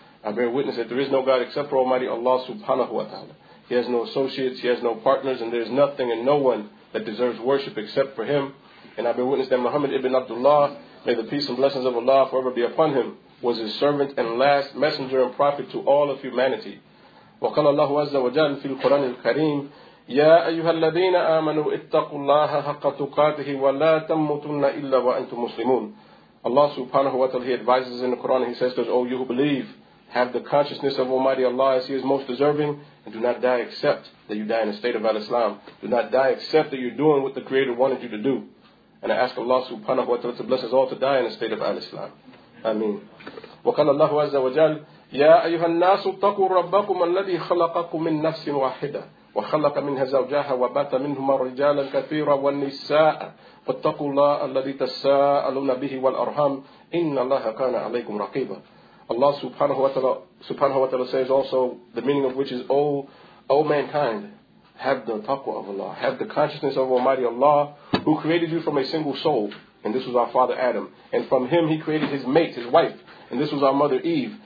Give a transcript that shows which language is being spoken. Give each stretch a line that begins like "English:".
English: I bear witness that there is no God except for Almighty Allah subhanahu wa ta'ala. He has no associates, he has no partners, and there is nothing and no one that deserves worship except for him. And I bear witness that Muhammad ibn Abdullah, may the peace and blessings of Allah forever be upon him, was his servant and last messenger and prophet to all of humanity.
Arabic: وقال الله عز وجل في القرآن الكريم يا أيها الذين آمنوا اتقوا الله حق تقاته ولا تموتن إلا وأنتم مسلمون.
English: Allah subhanahu wa ta'ala, He advises in the Quran, He says to us, O you who believe, have the consciousness of Almighty Allah as He is most deserving, and do not die except that you die in a state of al-Islam. Do not die except that you're doing what the Creator wanted you to do. And I ask Allah subhanahu wa ta'ala to bless us all to die in a state of al-Islam. Ameen.
Arabic: وقال الله عز وجل يا أيها الناس اتقوا ربكم الذي خلقكم من نفس واحدة وخلق منها زوجها وبات منهما رجالا كثيرا والنساء فاتقوا الله الذي تساءلون به والأرحام إن الله كان عليكم رقيبا.
English: Allah subhanahu wa ta'ala says also, the meaning of which is, O mankind, have the taqwa of Allah, have the consciousness of Almighty Allah, who created you from a single soul, and this was our father Adam, and from him he created his mate, his wife, and this was our mother Eve.